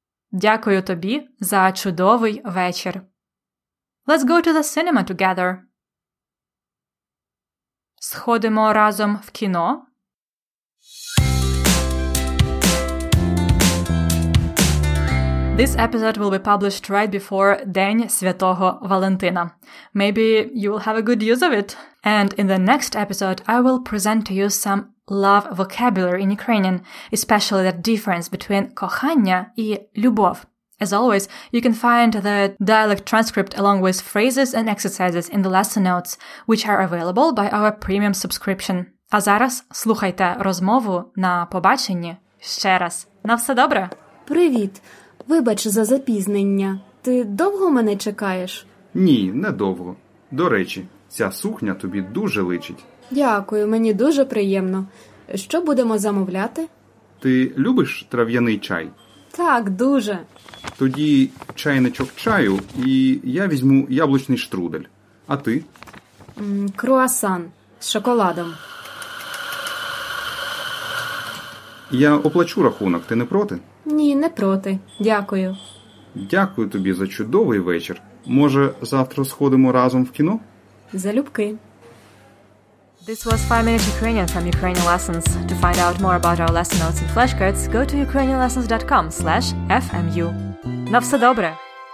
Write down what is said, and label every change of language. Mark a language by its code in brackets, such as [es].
[uk] Дякую тобі за чудовий вечір. [en] Let's go to the cinema together. [uk] Сходимо разом в кіно. [en] This episode will be published right before День Святого Валентина. Maybe you will have a good use of it. And in the next episode, I will present to you some love vocabulary in Ukrainian, especially the difference between кохання і любов. As always, you can find the dialect transcript along with phrases and exercises in the lesson notes, which are available by our premium subscription. [uk] А зараз слухайте розмову на побаченні ще раз. На все добре! Привіт! Вибач за запізнення. Ти довго мене чекаєш? Ні, не довго. До речі, ця сукня тобі дуже личить. Дякую, мені дуже приємно. Що будемо замовляти? Ти любиш трав'яний чай? Так, дуже. Тоді чайничок чаю і я візьму яблучний штрудель. А ти? Круасан з шоколадом. Я оплачу рахунок, ти не проти? Ні, не проти. Дякую. Дякую тобі за чудовий вечір. Може, завтра сходимо разом в кіно? Залюбки. [en] This was 5 Minutes Ukrainian from Ukrainian Lessons. To find out more about our lesson notes and flashcards, go to ukrainianlessons.com/fmu. [uk] На все добре!